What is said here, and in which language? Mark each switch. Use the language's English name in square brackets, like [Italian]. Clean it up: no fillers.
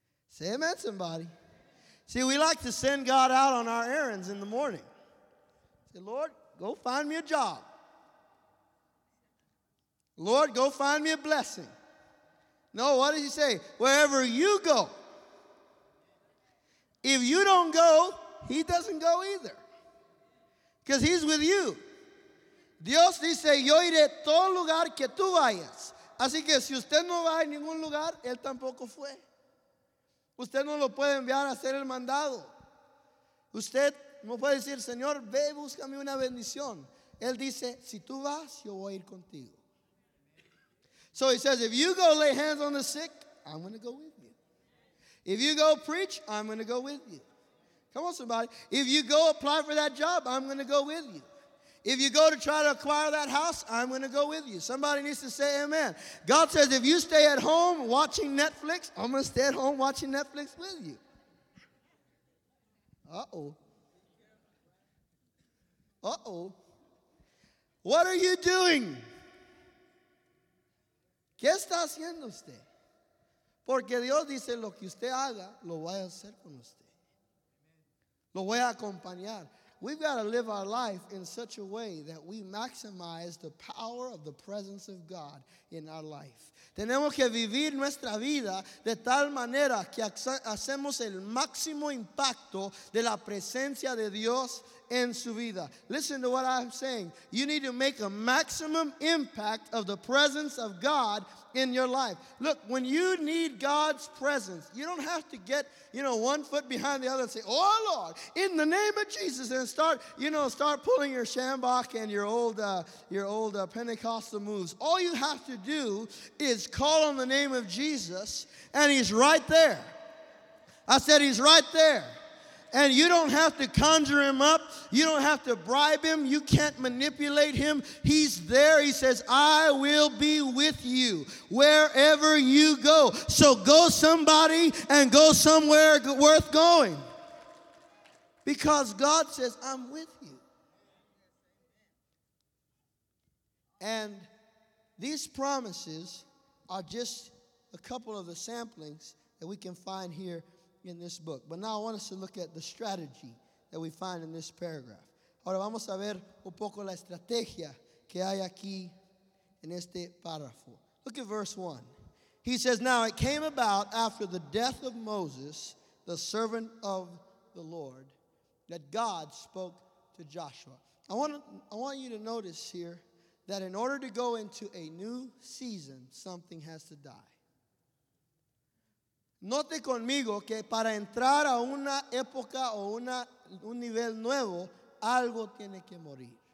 [English] Say amen, somebody. See, we like to send God out on our errands in the morning. Say, Lord, go find me a job. Lord, go find me a blessing. No, what does he say? Wherever you go. If you don't go, he doesn't go either. Because he's with you. [Spanish] Dios dice, yo iré todo lugar que tú vayas. Así que si usted no va a ningún lugar, él tampoco fue. Usted no lo puede enviar a hacer el mandado. Usted no puede decir, Señor, ve, búscame una bendición. Él dice, si tú vas, yo voy a ir contigo. [English] So he says, if you go lay hands on the sick, I'm going to go with you. If you go preach, I'm going to go with you. Come on, somebody. If you go apply for that job, I'm going to go with you. If you go to try to acquire that house, I'm going to go with you. Somebody needs to say amen. God says, if you stay at home watching Netflix, I'm going to stay at home watching Netflix with you. What are you doing? [Spanish] ¿Qué está haciendo usted? Porque Dios dice, lo que usted haga, lo voy a hacer con usted. Lo voy a acompañar. [English] We've got to live our life in such a way that we maximize the power of the presence of God in our life. [Spanish] Tenemos que vivir nuestra vida de tal manera que hacemos el máximo impacto de la presencia de Dios en su vida. [English] Listen to what I'm saying. You need to make a maximum impact of the presence of God in your life. Look, when you need God's presence, you don't have to get, you know, one foot behind the other and say, oh Lord, in the name of Jesus, and start pulling your shambach and your old Pentecostal moves. All you have to do is call on the name of Jesus, and he's right there. I said he's right there. And you don't have to conjure him up. You don't have to bribe him. You can't manipulate him. He's there. He says, I will be with you wherever you go. So go somebody and go somewhere worth going. Because God says, I'm with you. And these promises are just a couple of the samplings that we can find here in this book. But now I want us to look at the strategy that we find in this paragraph. [Spanish] Ahora vamos a ver un poco la estrategia que hay aquí en este párrafo. [English] Look at verse 1. He says, now it came about after the death of Moses, the servant of the Lord, that God spoke to Joshua. I want you to notice here that in order to go into a new season, something has to die. [Spanish] Note conmigo que para entrar a una época o un nivel nuevo, algo tiene que morir.